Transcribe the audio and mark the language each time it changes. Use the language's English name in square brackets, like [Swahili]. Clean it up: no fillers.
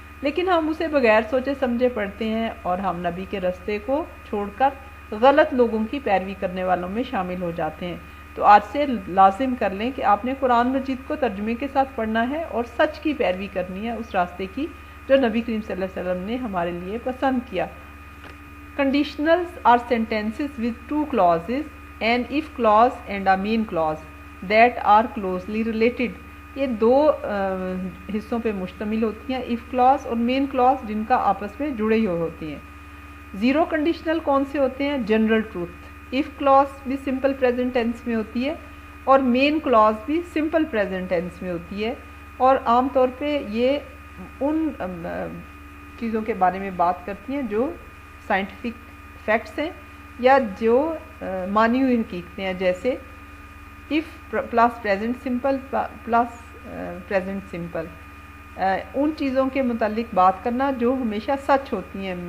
[Urdu] لیکن ہم اسے بغیر سوچے سمجھے پڑھتے ہیں اور ہم نبی کے رستے کو چھوڑ کر غلط لوگوں کی پیروی کرنے والوں میں شامل ہو جاتے ہیں. تو آج سے لازم کر لیں کہ آپ نے قرآن مجید کو ترجمے کے ساتھ پڑھنا ہے اور سچ کی پیروی کرنی ہے اس راستے کی جو نبی کریم صلی اللہ علیہ وسلم نے ہمارے لیے پسند کیا. [English] Conditionals are sentences with 2 clauses, an if clause and a main clause that are closely related. [Urdu] یہ دو حصوں پہ مشتمل ہوتی ہیں, if clause اور main clause, جن کا آپس میں جڑے ہوئے ہوتی ہیں. زیرو کنڈیشنل کون سے ہوتے ہیں؟ General truth. اف کلاز بھی سمپل پریزنٹ ٹینس میں ہوتی ہے اور مین کلاز بھی سمپل پریزنٹ ٹینس میں ہوتی ہے, اور عام طور پہ یہ ان چیزوں کے بارے میں بات کرتی ہیں جو سائنٹیفک فیکٹس ہیں یا جو مانی ہوئی حقیقتیں ہیں, جیسے if plus present simple plus present simple, ان چیزوں کے متعلق بات کرنا جو ہمیشہ سچ ہوتی ہیں.